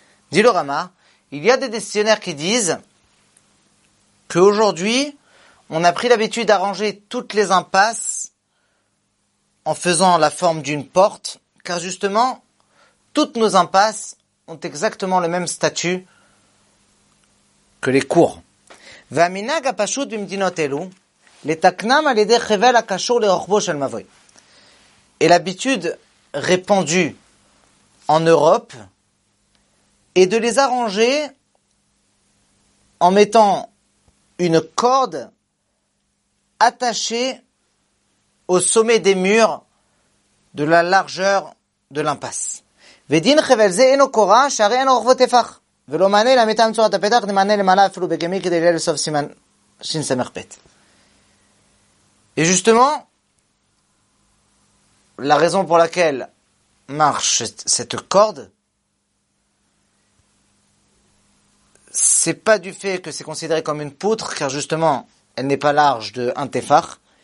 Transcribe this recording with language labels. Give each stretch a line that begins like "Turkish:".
French: Dit le Rama, il y a des décisionnaires qui disent qu'aujourd'hui, on a pris l'habitude d'arranger toutes les impasses en faisant la forme d'une porte, car justement, toutes nos impasses ont exactement le même statut que les cours.
Hebrew: והמנהג הפשוט במדינות אלו לתקנם על ידי חבל הקשור לרוחבו של מבוי.
French: Et l'habitude répandue en Europe est de les arranger en mettant une corde attachée au sommet des murs de la largeur de l'impasse.
Hebrew: ודין חבל זה אינו קורה שהרי אין רוחבו תפח.
French: Et justement, la raison pour laquelle marche cette corde, c'est pas du fait que c'est considéré comme une poutre, car justement, elle n'est pas large de un tefar.